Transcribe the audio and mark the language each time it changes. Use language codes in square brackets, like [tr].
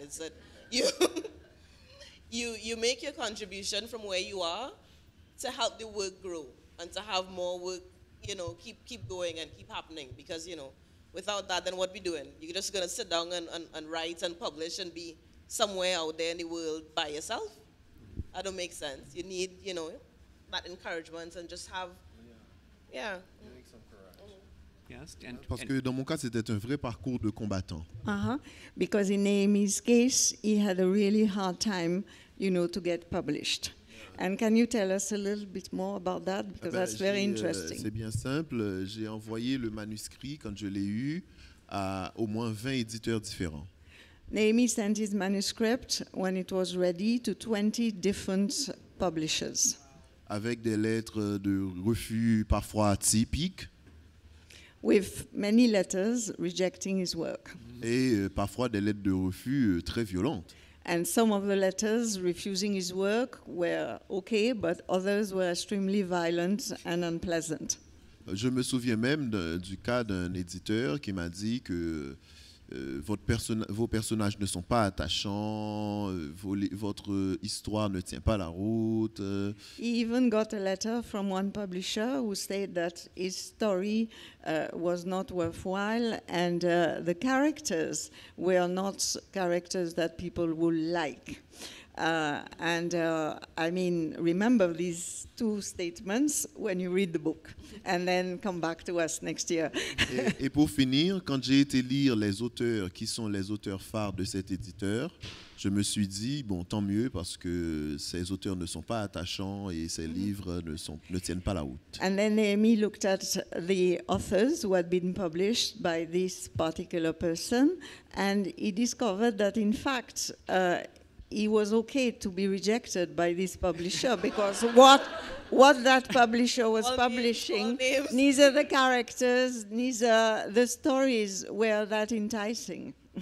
[en] It's that you you make your contribution from where you are to help the work grow and to have more work, you know, keep going and keep happening. Because, you know, without that, then what are we doing? You're just gonna sit down and write and publish and be somewhere out there in the world by yourself? That don't make sense. You need, you know, that encouragement and just have, Yes. [fr] Parce que dans mon cas, c'était un vrai parcours de combattant. [en] Because in Amy's case, he had a really hard time, you know, to get published. And can you tell us a little bit more about that? Because that's very interesting. [fr] C'est bien simple. J'ai envoyé le manuscrit, quand je l'ai eu, à au moins 20 éditeurs différents. [en] Néhémy sent his manuscript when it was ready to 20 different publishers. [fr] Avec des lettres de refus parfois atypiques. [en] With many letters rejecting his work. [fr] Et parfois des lettres de refus très violentes. [en] And some of the letters refusing his work were okay, but others were extremely violent and unpleasant. [fr] Je me souviens même du cas d'un éditeur qui m'a dit que vos personnages ne sont pas attachants, votre histoire ne tient pas la route. [en] He even got a letter from one publisher who said that his story was not worthwhile and the characters were not characters that people would like. Remember these two statements when you read the book, and then come back to us next year. [fr] Et pour finir, quand j'ai été lire les auteurs qui sont les auteurs phares de cet éditeur, je me suis dit, bon, tant mieux, parce que ces auteurs ne sont pas attachants et ces livres ne tiennent pas la route. [en] And then Néhémy looked at the authors who had been published by this particular person, and he discovered that in fact, he was okay to be rejected by this publisher because what that publisher was publishing, neither the characters, neither the stories were that enticing.